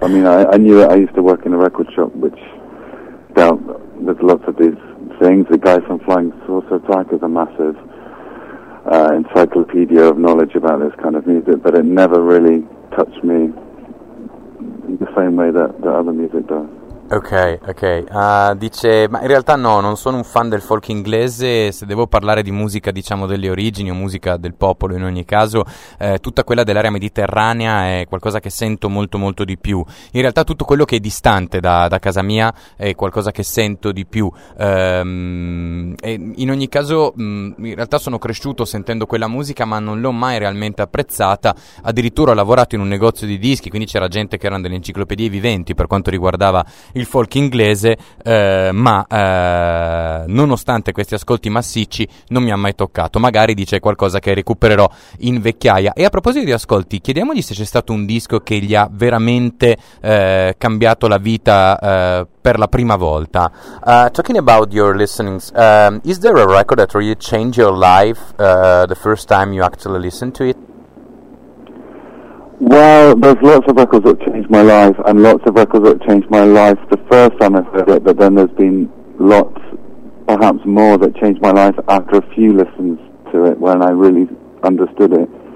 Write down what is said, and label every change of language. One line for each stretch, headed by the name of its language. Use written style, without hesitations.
English: I mean, I knew it. I used to work in a record shop which dealt with lots of these things. The guy from Flying Saucer Attack is a massive encyclopedia of knowledge about this kind of music, but it never really touched me the same way that the other music does.
Italian: Ok, dice, ma in realtà no, non sono un fan del folk inglese. Se devo parlare di musica, diciamo, delle origini o musica del popolo in ogni caso, tutta quella dell'area mediterranea è qualcosa che sento molto molto di più. In realtà tutto quello che è distante da casa mia è qualcosa che sento di più. E in ogni caso, in realtà sono cresciuto sentendo quella musica, ma non l'ho mai realmente apprezzata. Addirittura ho lavorato in un negozio di dischi, quindi c'era gente che erano delle enciclopedie viventi per quanto riguardava il folk inglese, nonostante questi ascolti massicci non mi ha mai toccato. Magari dice qualcosa che recupererò in vecchiaia. E a proposito di ascolti, chiediamogli se c'è stato un disco che gli ha veramente cambiato la vita per la prima volta.
English: Talking about your listenings, is there a record that really changed your life the first time you actually listened to it? Well, there's lots of records that changed my life, and lots of records that changed my life the first time I heard it, but then there's been lots, perhaps more, that changed my life after a few listens to it, when I really understood it.